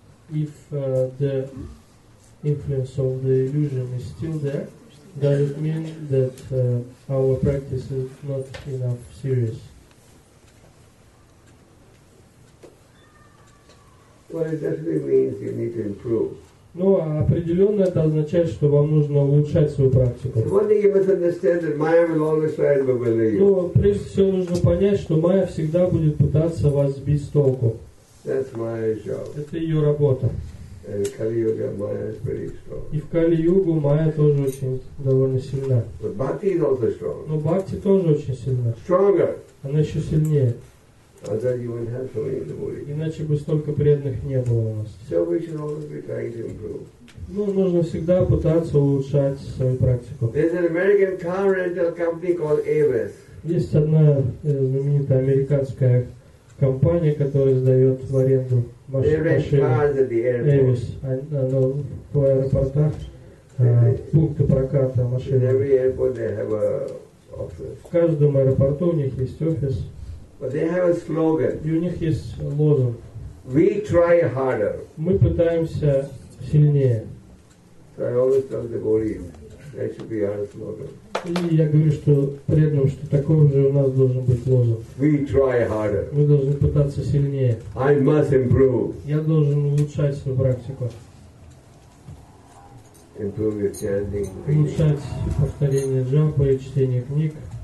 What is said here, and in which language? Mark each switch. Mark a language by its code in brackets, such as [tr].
[en] If the influence of the illusion is still there, does it mean that our practice is not enough serious? Well, it definitely means you need to improve. [ru] Ну, а определенно это означает, что вам нужно улучшать свою практику. Ну, прежде всего нужно понять, что Майя всегда будет пытаться вас сбить с толку. [en] That's Maya's job. [ru] Это ее работа. [en] And Kali-Yuga, Maya is very strong. [ru] И в Кали-Югу Майя тоже очень довольно сильна. [en] But Bhakti is also strong. [ru] Но Бхакти тоже очень сильна. [en] Stronger. [ru] Она еще сильнее. [en] Otherwise you wouldn't have so many devotees. [ru] Иначе бы столько преданных не было у нас. [en] So we should always be trying to improve. [ru] Ну, нужно всегда пытаться улучшать свою практику. [en] There's an American car rental company called Avis. [ru] Есть одна знаменитая американская компания, которая сдает в аренду машины. [en] Avis, [ru] она в аэропортах, пункты проката машин. В каждом аэропорту у них есть офис. [en] But they have a slogan. [ru] И у них есть лозунг. [en] We try harder. [ru] Мы пытаемся сильнее. [en] So I always tell the devotees, that should be our slogan. [ru] И я говорю, что преданным, что такого же у нас должен быть лозунг. [en] We try harder. [ru] Мы должны пытаться сильнее. [en] I must improve. [ru] Я должен улучшать свою практику. [en] Improve your chanting. [ru] Улучшать повторение джапы и чтение книг.